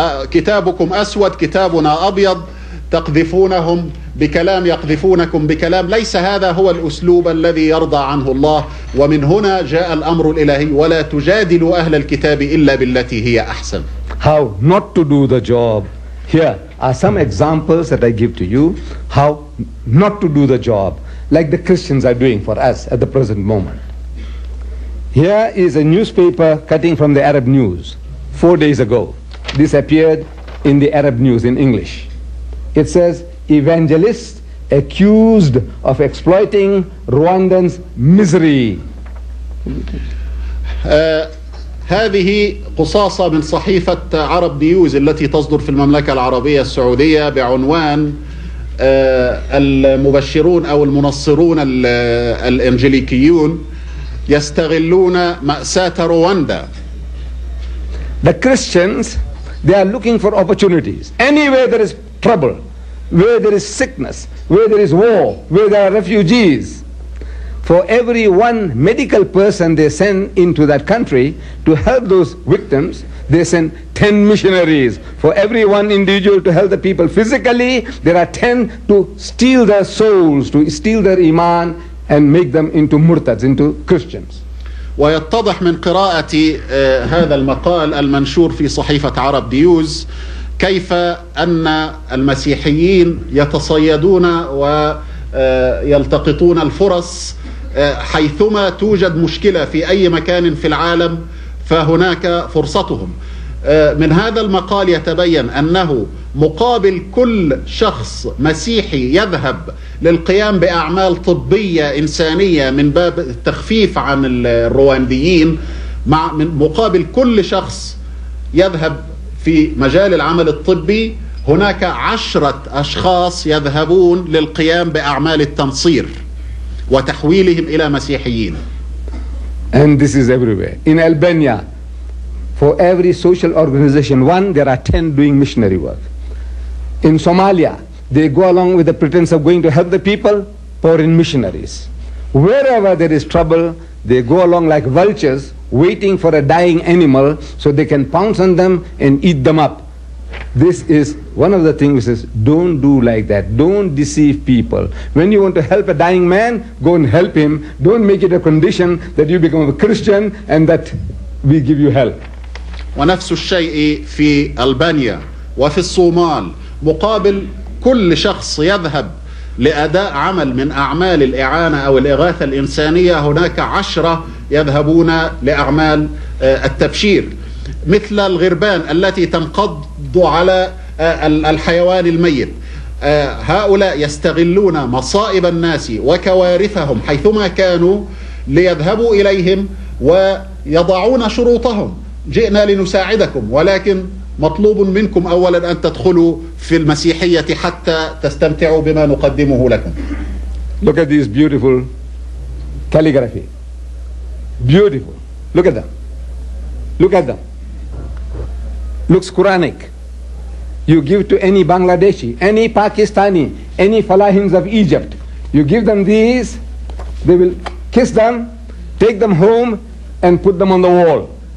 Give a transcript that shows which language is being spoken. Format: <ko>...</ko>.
<ar>كتابكم أسود، كتابنا أبيض، تقذفونهم بكلام، يقذفونكم بكلام. ليس هذا هو الأسلوب الذي يرضى عنه الله. ومن هنا جاء الأمر الإلهي، ولا تجادلوا أهل الكتاب إلا بالتي هي أحسن.</ar> <en>How not to do the job. Here are some examples that I give to you. How not to do the job, like the Christians are doing for us at the present moment. Here is a newspaper cutting from the Arab news 4 days ago. This appeared in the Arab news in English. It says, evangelist accused of exploiting Rwandans' misery.</en> <ar>هذه قصاصة من صحيفة عرب نيوز التي تصدر في المملكة العربية السعودية بعنوان المبشرون أو المنصرون الإنجليكيون يستغلون مأساة رواندا.</ar> <en>The Christians, they are looking for opportunities. Anywhere there is trouble, where there is sickness, where there is war, where there are refugees. For every one medical person they send into that country to help those victims, they send 10 missionaries. For every one individual to help the people physically, there are 10 to steal their souls, to steal their iman and make them into murtads, into Christians.</en> <ar>ويتضح من قراءة هذا المقال المنشور في صحيفة عرب نيوز كيف أن المسيحيين يتصيدون ويلتقطون الفرص حيثما توجد مشكلة في أي مكان في العالم، فهناك فرصتهم. من هذا المقال يتبين أنه مقابل كل شخص مسيحي يذهب للقيام بأعمال طبية إنسانية من باب التخفيف عن الروانديين، مقابل كل شخص يذهب في مجال العمل الطبي هناك 10 أشخاص يذهبون للقيام بأعمال التنصير وتحويلهم إلى مسيحيين.</ar> <en>And this is everywhere. In Albania, for every social organization, one, there are 10 doing missionary work. In Somalia, they go along with the pretense of going to help the people, pouring missionaries. Wherever there is trouble, they go along like vultures, waiting for a dying animal so they can pounce on them and eat them up. This is one of the things which says, don't do like that. Don't deceive people. When you want to help a dying man, go and help him. Don't make it a condition that you become a Christian and that we give you help.</en> <ar>ونفس الشيء في ألبانيا وفي الصومال، مقابل كل شخص يذهب لأداء عمل من أعمال الإعانة أو الإغاثة الإنسانية هناك 10 يذهبون لأعمال التبشير، مثل الغربان التي تنقض على الحيوان الميت. هؤلاء يستغلون مصائب الناس وكوارثهم حيثما كانوا ليذهبوا إليهم ويضعون شروطهم: جئنا لنساعدكم، ولكن مطلوب منكم أولا أن تدخلوا في المسيحية حتى تستمتعوا بما نقدمه لكم.</ar> <en>Look at this beautiful calligraphy. Beautiful. Look at them. Look at them. Looks Quranic. You give to any Bangladeshi, any Pakistani, any Falahins of Egypt, you give them these, they will kiss them, take them home and put them on the wall.</en>